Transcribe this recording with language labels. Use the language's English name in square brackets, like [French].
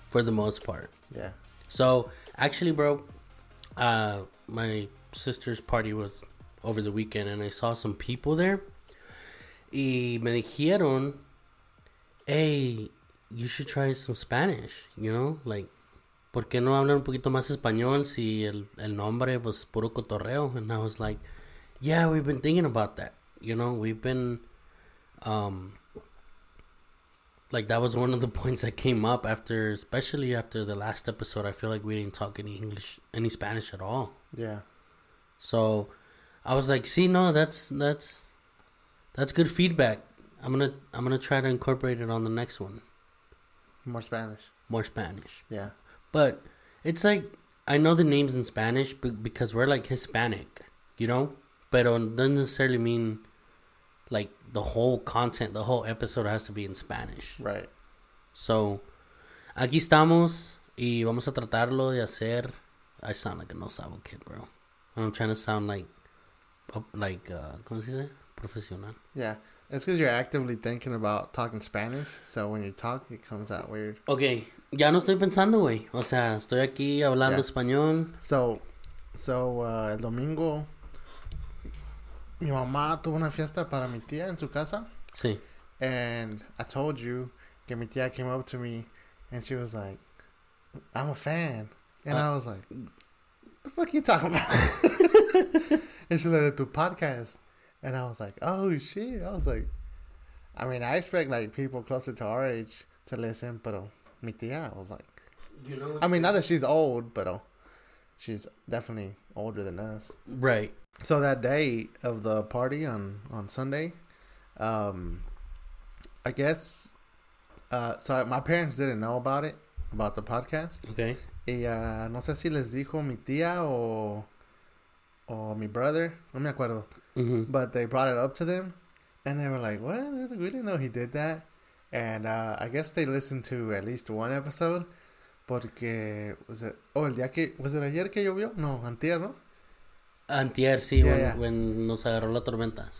[English] For the most part. Yeah. So, actually, bro, my sister's party was over the weekend, and I saw some people there. [Spanish] Y me dijeron, [English] hey, you should try some Spanish, you know? Like, [Spanish] ¿por qué no hablar un poquito más español si el nombre [English] was [Spanish] puro cotorreo? [English] And I was like, yeah, we've been thinking about that. You know, we've been, like, that was one of the points that came up after, especially after the last episode. I feel like we didn't talk any English, any Spanish at all. Yeah. So, I was like, [Spanish] sí, no, [English] that's good feedback. I'm gonna try to incorporate it on the next one. More Spanish. More Spanish. Yeah. But it's like, I know the names in Spanish because we're like Hispanic, you know? But it doesn't necessarily mean like the whole content, the whole episode has to be in Spanish. Right. So, [Spanish] aquí estamos y vamos a tratarlo de hacer. [English] I sound like a no sabo kid, bro. And I'm trying to sound like, [Spanish] ¿cómo se dice? Profesional. [English] Yeah. It's because you're actively thinking about talking Spanish, so when you talk, it comes out weird. Okay, [Spanish] ya no estoy pensando, güey. O sea, estoy aquí hablando [English] yeah. [Spanish] español. [English] So, [Spanish] el domingo, mi mamá tuvo una fiesta para mi tía en su casa. Sí. [English] And I told you [Spanish] que mi tía [English] came up to me, and she was like, I'm a fan. And I was like, what the fuck are you talking about? And she's like, [Spanish] tu podcast. [English] And I was like, oh, shit. I was like, I mean, I expect, like, people closer to our age to listen, but [Spanish] mi tía, [English] I was like, you know, I mean, not that she's old, but she's definitely older than us. Right. So that day of the party on Sunday, I guess, so my parents didn't know about it, about the podcast. Okay. [Spanish] Y no sé si les dijo mi tía o mi [English] brother, [Spanish] no me acuerdo. Mm-hmm. [English] But they brought it up to them, and they were like, what? We didn't know he did that. And I guess they listened to at least one episode, [Spanish] porque, [English] was it, oh, [Spanish] el día que, [English] was it [Spanish] ayer que llovió? No, antier, ¿no? Antier, sí, [English] yeah, when [Spanish] nos agarró la tormenta. Sí,